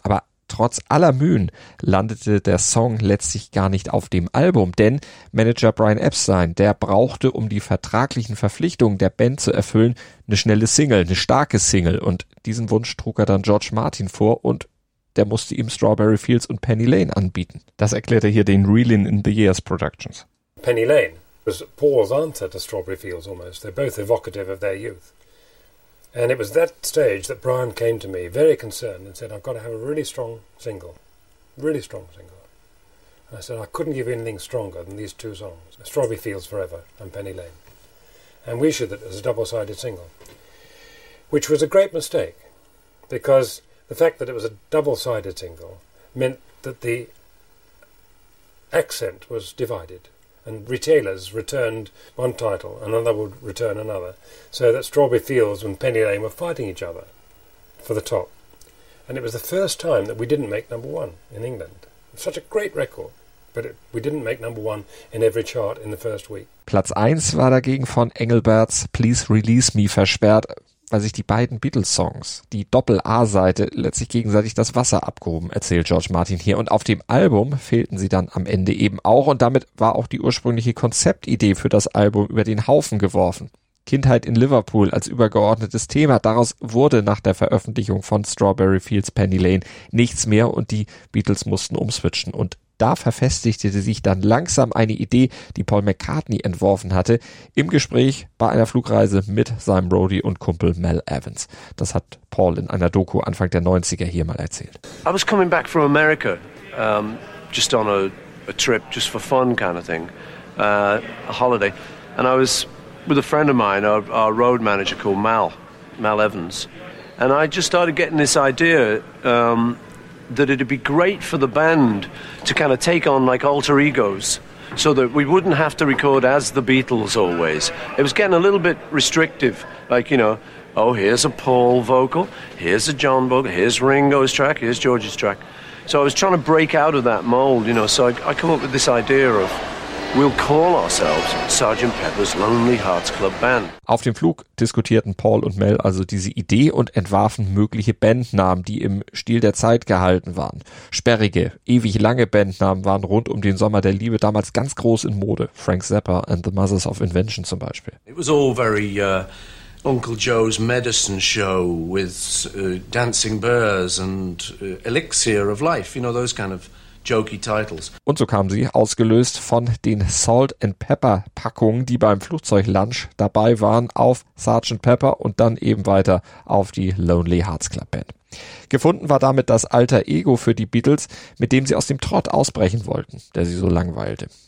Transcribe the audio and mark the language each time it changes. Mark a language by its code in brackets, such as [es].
[de] Aber trotz aller Mühen landete der Song letztlich gar nicht auf dem Album, denn Manager Brian Epstein, der brauchte, um die vertraglichen Verpflichtungen der Band zu erfüllen, eine schnelle Single, eine starke Single, und diesen Wunsch trug er dann George Martin vor und der musste ihm Strawberry Fields und Penny Lane anbieten. Das erklärte hier den Reelin in the Years Productions. [en] Penny Lane was Paul's answer to Strawberry Fields almost. They're both evocative of their youth. And it was that stage that Brian came to me, very concerned, and said, I've got to have a really strong single, really strong single. And I said, I couldn't give you anything stronger than these two songs, Strawberry Fields Forever and Penny Lane. And we issued it as a double-sided single, which was a great mistake, because the fact that it was a double-sided single meant that the accent was divided. And retailers returned one title, another would return another, so that Strawberry Fields and Penny Lane were fighting each other for the top. And it was the first time that we didn't make number one in England. Such a great record, but we didn't make number one in every chart in the first week. [de] Platz 1 war dagegen von Engelberts Please Release Me versperrt, weil sich die beiden Beatles-Songs, die Doppel-A-Seite, letztlich gegenseitig das Wasser abgehoben, erzählt George Martin hier. Und auf dem Album fehlten sie dann am Ende eben auch. Und damit war auch die ursprüngliche Konzeptidee für das Album über den Haufen geworfen. Kindheit in Liverpool als übergeordnetes Thema. Daraus wurde nach der Veröffentlichung von Strawberry Fields Penny Lane nichts mehr und die Beatles mussten umswitchen. Und da verfestigte sich dann langsam eine Idee, die Paul McCartney entworfen hatte, im Gespräch bei einer Flugreise mit seinem Roadie und Kumpel Mel Evans. Das hat Paul in einer Doku Anfang der 90er hier mal erzählt. [en] I was coming back from America, just on a trip, just for fun kind of thing, a holiday. And I was with a friend of mine, our road manager called Mel Evans. And I just started getting this idea, that it'd be great for the band to kind of take on like alter egos so that we wouldn't have to record as the Beatles always. It was getting a little bit restrictive, like, you know, oh, here's a Paul vocal, here's a John vocal, here's Ringo's track, here's George's track. So I was trying to break out of that mold, you know, so I come up with this idea of we'll call ourselves Sergeant Pepper's Lonely Hearts Club Band. [de] Auf dem Flug diskutierten Paul und Mel also diese Idee und entwarfen mögliche Bandnamen, die im Stil der Zeit gehalten waren. Sperrige, ewig lange Bandnamen waren rund um den Sommer der Liebe damals ganz groß in Mode. Frank Zappa and the Mothers of Invention zum Beispiel. [en] It was all very Uncle Joe's Medicine Show with Dancing Bears and Elixir of Life, you know, those kind of jokey titles. [de] Und so kamen sie, ausgelöst von den Salt and Pepper Packungen, die beim Flugzeuglunch dabei waren, auf Sergeant Pepper und dann eben weiter auf die Lonely Hearts Club Band. Gefunden war damit das Alter Ego für die Beatles, mit dem sie aus dem Trott ausbrechen wollten, der sie so langweilte.